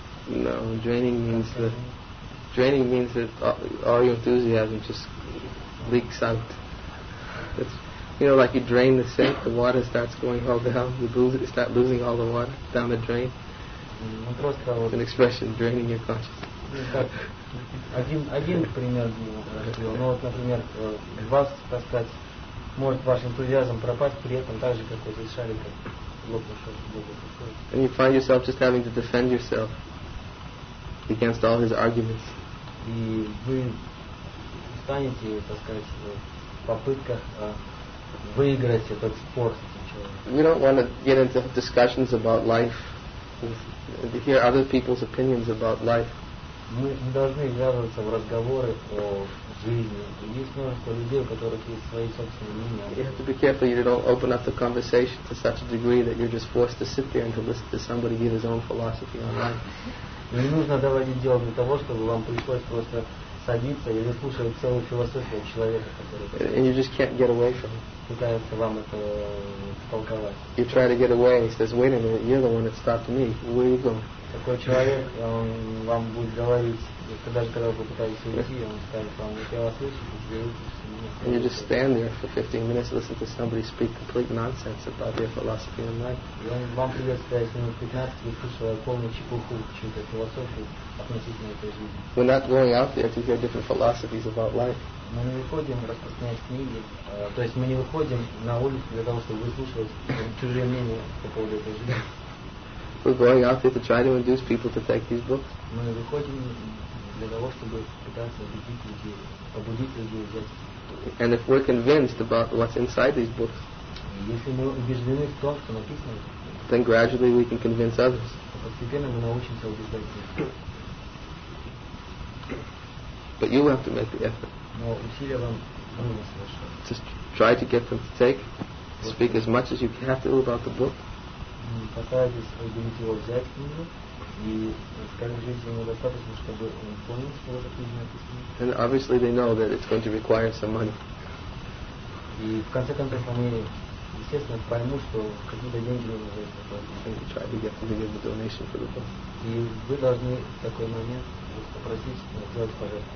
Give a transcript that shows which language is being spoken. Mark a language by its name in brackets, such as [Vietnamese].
[English] No, draining means that all your enthusiasm just leaks out. It's, you know, like you drain the sink, the water starts going all down, you start losing all the water down the drain. It's an expression, draining your consciousness. [Russian] Один пример, ну вот, например, вас, так сказать, может ваш энтузиазм пропасть при этом так же, как вот из шарика лопнувшего. [English] And you find yourself just having to defend yourself against all his arguments. [Russian] И вы станете, так сказать, в попытках выиграть этот спор с этим человеком. [English] You don't want to get into discussions about life, to hear other people's opinions about life. [Russian] Мы не должны ввязываться в разговоры о жизни. Есть множество людей, у которых есть свои собственные мнения. [English] You have to be careful you don't open up the conversation to such a degree that you're just forced to sit there and to listen to somebody give his own philosophy on life. [Russian] Не нужно доводить дело для того, чтобы вам пришлось просто садиться и выслушивать целую философию человека, который... [English] And you just can't get away from it. [Russian] Пытается вам это втолковать. [English] You try to get away and he says, wait a minute, you're the one that stopped me. Where are you going? [Russian] Такой человек, он вам будет говорить, когда вы пытаетесь уйти, он скажет вам, я вас слышу, сделайте. [English] And you just stand there for 15 minutes, listen to somebody speak complete nonsense about their philosophy in life. [Russian] И он вам придется стоять минут 15, выслушивая полную чепуху, чью-то философию относительно этой жизни. [English] We're not going out there to hear different philosophies about life. [Russian] Мы не выходим распространять книги, то есть мы не выходим на улицу для того, чтобы выслушивать чужие мнения по поводу этой жизни. [English] We're going out there to try to induce people to take these books. [Russian] Мы выходим для того, чтобы пытаться убедить людей, побудить людей взять. [English] And if we're convinced about what's inside these books, [Russian] если мы убеждены в том, что написано, [English] then gradually we can convince others. [Russian] Постепенно мы научимся убеждать людей. [English] But you have to make the effort. [Russian] Но усилия вам нужно совершать. [English] Just try to get them to take, speak as much as you have to about the book. [Russian] Постарайтесь убедить его взять книгу и скажите ему достаточно, чтобы он понял, что эта книга написана. [English] And obviously they know that it's going to require some money. [Russian] И в конце концов они, естественно, поймут, что какие-то деньги нужно за это платить. [English] And try to get them to give a donation for the book. [Russian] И вы должны в такой момент попросить сделать пожертвование.